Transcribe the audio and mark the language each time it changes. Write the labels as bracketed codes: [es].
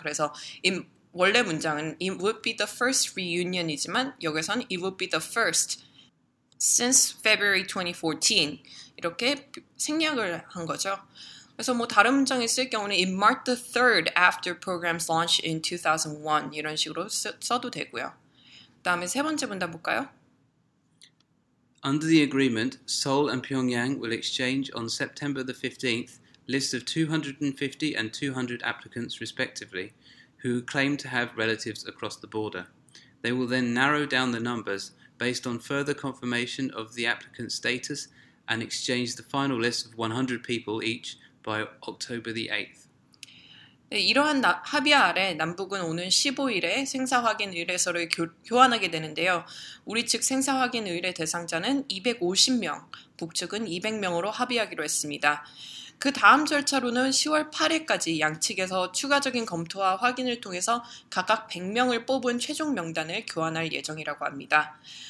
[ko] 그래서 원래 문장은 [en] it would be the first reunion [ko] 이지만 여기선 [en] it would be the first since February 2014 [ko] 이렇게 생략을 한 거죠. 그래서 뭐 다른 문장에 쓸 경우는 [en] it marked the third after program's launch in 2001 [ko] 이런 식으로 써도 되고요. 다음에 세 번째 문장 볼까요? [en] Under the agreement, Seoul and Pyongyang will exchange on September the 15th lists of 250 and 200 applicants respectively who claim to have relatives across the border. They will then narrow down the numbers based on further confirmation of the applicant's status and exchange the final list of 100 people each by October the 8th. [ko] 네, 이러한 합의 아래 남북은 오는 15일에 생사 확인 의뢰서를 교환하게 되는데요. 우리 측 생사 확인 의뢰 대상자는 250명, 북측은 200명으로 합의하기로 했습니다. 그 다음 절차로는 10월 8일까지 양측에서 추가적인 검토와 확인을 통해서 각각 100명을 뽑은 최종 명단을 교환할 예정이라고 합니다.